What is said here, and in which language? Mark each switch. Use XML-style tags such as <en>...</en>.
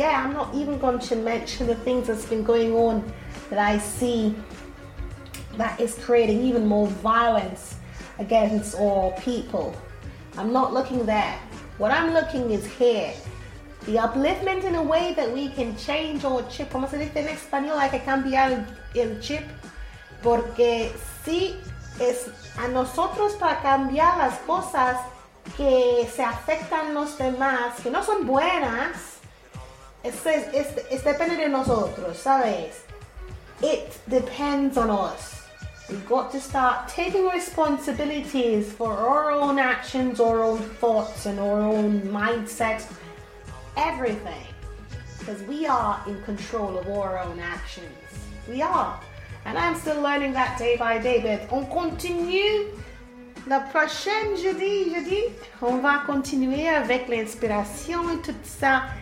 <en>Yeah, I'm not even going to mention the things that's been going on that I see that is creating even more violence against all people. I'm not looking there. What I'm looking is here. The upliftment in a way that we can change or chip.</en> <es>Vamos a decir en español, hay que cambiar el chip. Porque si es a nosotros para cambiar las cosas que se afectan los demás, que no son buenas, es depende de nosotros, ¿sabes?</es> <en>It depends on us. We've got to start taking responsibilities for our own actions, our own thoughts, and our own mindset. Everything. Because we are in control of our own actions. We are. And I'm still learning that day by day.</en> <fr>But on continue. La prochaine jeudi. On va continuer avec l'inspiration et tout ça.</fr>